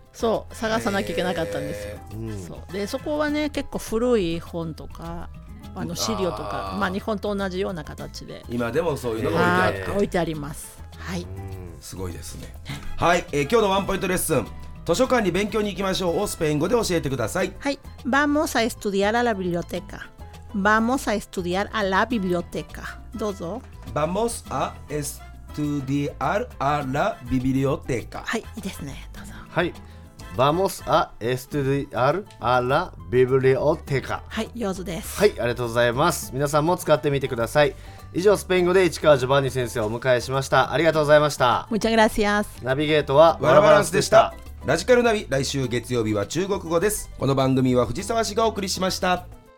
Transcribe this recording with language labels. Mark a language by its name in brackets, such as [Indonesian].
[Japanese] そう探さなきゃいけなかったんですよ、そう。でそこはね、結構古い本とか、あの資料とか、まあ、日本と同じような形で今でもそういうのが置いてあって、置いてあります。はい、すごいですね。はい、今日のワンポイントレッスン、図書館に勉強に行きましょうをスペイン語で教えてください。 [Spanish] はい、 Vamos a estudiar a la biblioteca. Vamos a estudiar a la biblioteca. [Japanese] どうぞ。 [Spanish] Vamos a estudiar a la biblioteca. [Japanese] はい、いいですね、どうぞ。 [Spanish] はい、 Vamos a estudiar a la biblioteca. [Japanese] はい、上手です。はい、ありがとうございます。皆さんも使ってみてください。以上、スペイン語で市川ジョバンニ先生をお迎えしました。ありがとうございました。 [Spanish] Muchas gracias. [Japanese] ナビゲートはワラバランスでした。ラジカルナビ、来週月曜日は中国語です。この番組は藤沢氏がお送りしました。